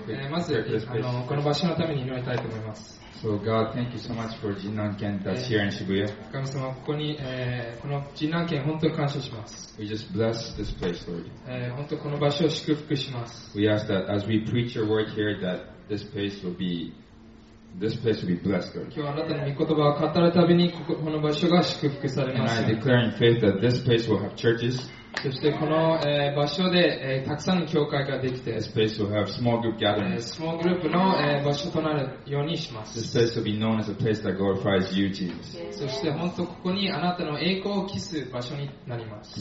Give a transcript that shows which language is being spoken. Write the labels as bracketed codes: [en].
[ja] まずこの場所のために祈りたいと思います。 [en] So God, thank you so much for Jinnan Ken that's here in Shibuya. [ja] 神様、ここに、このJinnan Ken本当に感謝します。 [en] We just bless this place, Lord. [ja] 本当この場所を祝福します。 [en] We ask that as we preach your word here, that this place will be blessed, Lord. [ja] 今日あなたの御言葉を語るたびに、この場所が祝福されます。 [en] And I declare in faith that this place will have churches. [ja] そしてこの場所でたくさんの教会ができて [en] This place will have small group gatherings. [ja] スモールグループの場所となるようにします。 [en] This place will be known as a place that glorifies you, Jesus. [ja] そして本当ここにあなたの栄光を期す場所になります。